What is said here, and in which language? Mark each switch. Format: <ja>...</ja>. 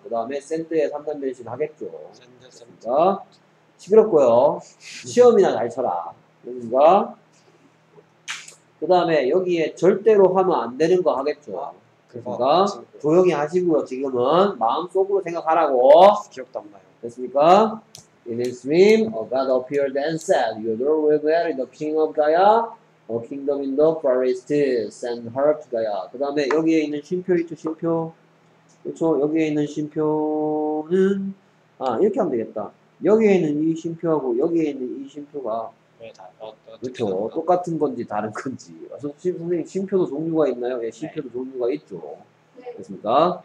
<ko>그 다음에 send의 3단 변신 하겠죠. 됐습니까? 시끄럽고요. 시험이나 날 쳐라. 됐습니까? 그 다음에 여기에 절대로 하면 안 되는 거 하겠죠. 됐습니까? 조용히 하시고요. 지금은 마음속으로 생각하라고. 기억도 안 나요. 됐습니까?</ko> <en>In his dream, a god appeared and said, Your daughter will marry the king of Gaya. A kingdom in the forest, send her to Gaya.</en> <ko>그 다음에 여기에 있는 쉼표 있죠, 쉼표. 그쵸, 여기에 있는 쉼표는, 아, 이렇게 하면 되겠다. 여기에 있는 이 쉼표하고 여기에 있는 이 쉼표가, 네, 다, 그쵸, 똑같은 건지 다른 건지. 선생님, 쉼표도 종류가 있나요? 예, 쉼표도 네. 종류가 있죠. 됐습니까?</ko>